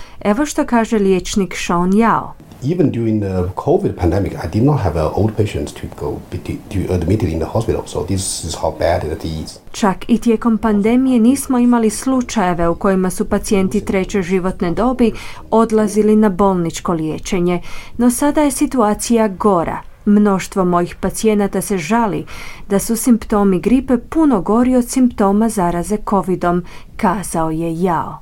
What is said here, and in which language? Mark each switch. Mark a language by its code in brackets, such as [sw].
[hr] Evo što kaže liječnik Sean Yao. [en] Even during the COVID pandemic, I did not have old patients to go to admit in the hospital, so this is how bad it is. [hr] Čak i tijekom pandemije nismo imali slučajeve u kojima su pacijenti treće životne dobi odlazili na bolničko liječenje, no sada je situacija gora. Mnoštvo mojih pacijenata se žali da su simptomi gripe puno gori od simptoma zaraze COVID-om, kazao je Yao.